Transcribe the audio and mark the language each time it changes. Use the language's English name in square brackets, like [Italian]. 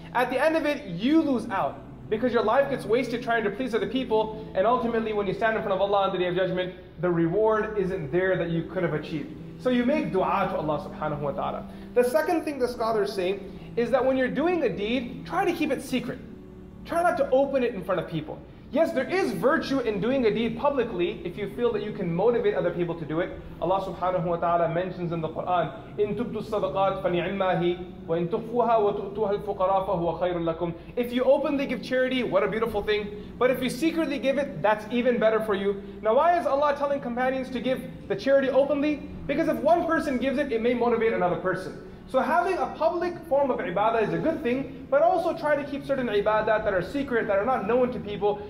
[English] At the end of it, you lose out. Because your life gets wasted trying to please other people, and ultimately when you stand in front of Allah on the Day of Judgment, the reward isn't there that you could have achieved. So you make dua to Allah [Arabic] subhanahu wa ta'ala. [English] The second thing the scholars say is that when you're doing a deed, try to keep it secret. Try not to open it in front of people. Yes, there is virtue in doing a deed publicly if you feel that you can motivate other people to do it. Allah subhanahu wa ta'ala mentions in the Quran, [Arabic] إِن تُبْدُوا الصَّدَقَاتِ فَنِعِمَّا هِيَ وَإِن تُخْفُوهَا وَتُؤْتُوهَا الْفُقَرَاءَ فَهُوَ خَيْرٌ لَكُمْ. [English] If you openly give charity, what a beautiful thing. But if you secretly give it, that's even better for you. Now why is Allah telling companions to give the charity openly? Because if one person gives it, it may motivate another person. So having a public form of ibadah is a good thing, but also try to keep certain ibadah that are secret, that are not known to people.